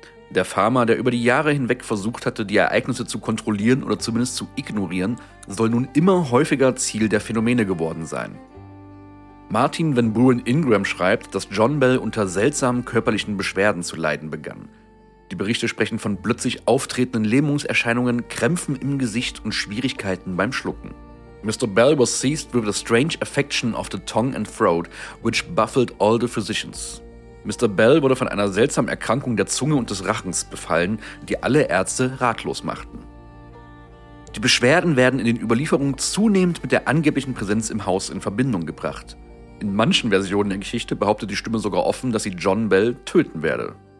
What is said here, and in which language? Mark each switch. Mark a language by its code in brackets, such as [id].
[de] Der Farmer, der über die Jahre hinweg versucht hatte, die Ereignisse zu kontrollieren oder zumindest zu ignorieren, soll nun immer häufiger Ziel der Phänomene geworden sein. Martin Van Buren Ingram schreibt, dass John Bell unter seltsamen körperlichen Beschwerden zu leiden begann. Die Berichte sprechen von plötzlich auftretenden Lähmungserscheinungen, Krämpfen im Gesicht und Schwierigkeiten beim Schlucken. [en] Mr. Bell was seized with a strange affection of the tongue and throat, which baffled all the physicians. [de] Mr. Bell wurde von einer seltsamen Erkrankung der Zunge und des Rachens befallen, die alle Ärzte ratlos machten. Die Beschwerden werden in den Überlieferungen zunehmend mit der angeblichen Präsenz im Haus in Verbindung gebracht. In manchen Versionen der Geschichte behauptet die Stimme sogar offen, dass sie John Bell töten werde.